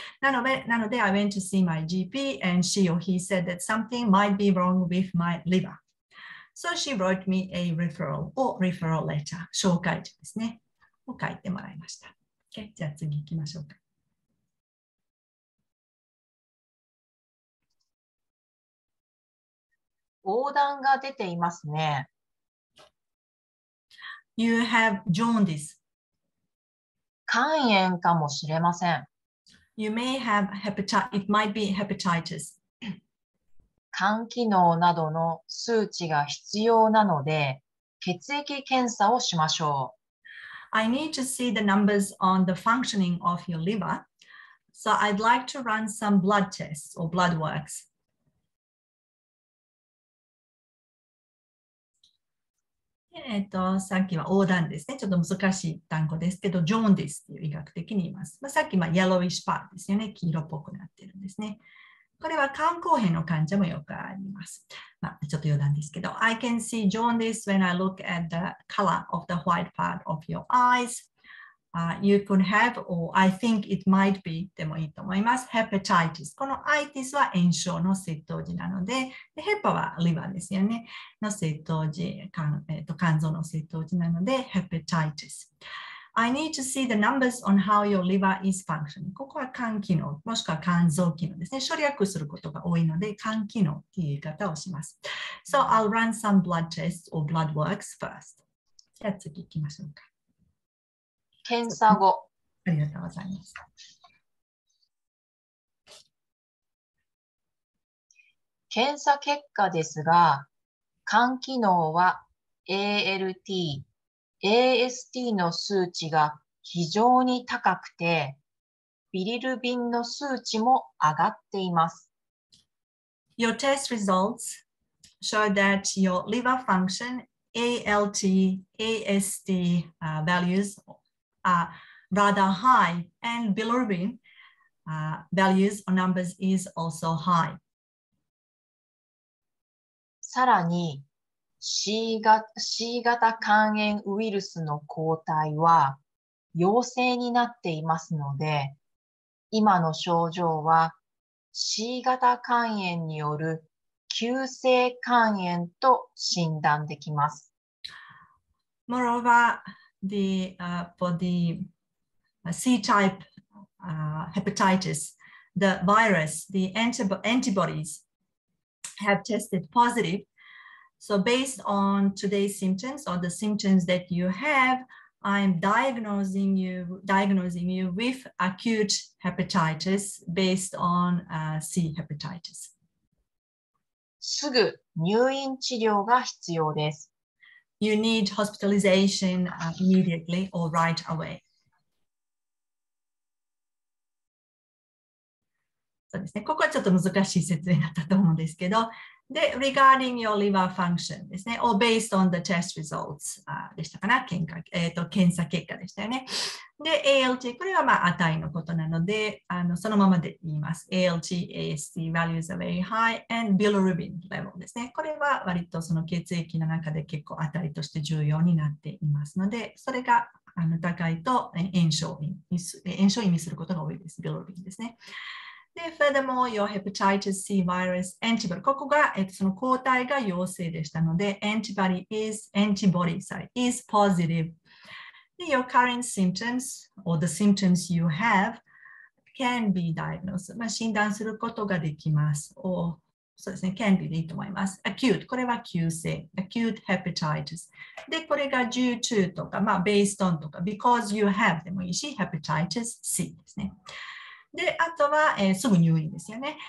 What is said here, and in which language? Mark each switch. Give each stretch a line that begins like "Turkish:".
Japanese: なので
English: I went to see my GP and she or he said that something might be wrong with my liver. So she wrote me a referral or referral letter.
Japanese: 紹介状ですね。を書いてもらいました。 Okay, じゃあ次行きましょうか。黄疸が出ていますね。
English: You have jaundice.
Japanese: 肝炎かもしれません。
English: You may have hepatitis. It might be hepatitis.
Japanese: 肝機能などの数値が必要なので、血液検査をしましょう。
English: I need to see the numbers on the functioning of your liver. So I'd like to run some blood tests or blood works.
Japanese: さっきは黄疸ですね。ちょっと難しい単語ですけど、ジョーンディスという医学的に言います。まあ、さっきは
English: yellowish part
Japanese: ですよね。黄色っぽくなっているんですね。これは肝硬変の患者もよくあります。まあ、ちょっと余談ですけど、
English: I can see jaundice when I look at the color of the white part of your eyes. You could have, or I think it might be,
Japanese: でもいいと思います。
English: Hepatitis.
Japanese: この itis は炎症の窃盗時なので、HEPA は liver ですよね。の窃盗時、肝臓の窃盗時なので、Hepatitis.
English: I need to see the numbers on how your liver is functioning.
Japanese: ここは肝機能、もしくは肝臓機能ですね。省略することが多いので、肝機能という言い方をします。
English: So I'll run some blood tests or blood works first.
Japanese: じゃあ次行きましょうか。検査後、ありがとうございます。検査結果ですが、肝機能は ALT、AST の数値が非常に高くて、ビリルビンの数値も上がっています。
English: Your test results show that your liver function ALT、AST values. Rather high and bilirubin values or numbers is also high.
Japanese: さらに C型肝炎ウイルスの抗体は陽性になっていますので今の症状は C 型肝炎による急性肝炎と診断できます。
English: Moreover, for the C-type hepatitis, the virus, the antibodies have tested positive. So based on today's symptoms or the symptoms that you have, I'm diagnosing you with acute hepatitis based on C hepatitis.
Japanese: すぐ入院治療が必要です。
English: You need hospitalization immediately or right away.
Japanese: そうですね。ここはちょっと難しい説明になったと思うんですけど、で、
English: regarding your liver function
Japanese: ですね、
English: or based on the test results
Japanese: でしたかな、検査結果でしたよね。で、ALT、これはまあ値のことなので、そのままで言います。
English: ALT、AST values are very high, and bilirubin level
Japanese: ですね。これは割とその血液の中で結構値として重要になっていますので、それが高いと炎症を意味することが多いです。
English: bilirubin
Japanese: ですね。で、
English: furthermore, your hepatitis C virus antibody.
Japanese: ここが、その抗体が陽性でしたので、
English: antibody is positive. で、your current symptoms or the symptoms you have can be diagnosed.
Japanese: まあ、診断することができます。 or そうですね、
English: can be
Japanese: でいいと思います。acute, これは急性。
English: acute hepatitis.
Japanese: で、これが
English: due to とか、まあ、based on とか、because you have
Japanese: でもいいし、
English: hepatitis C ですね。
Japanese: で、あとは、すぐ入院ですよね。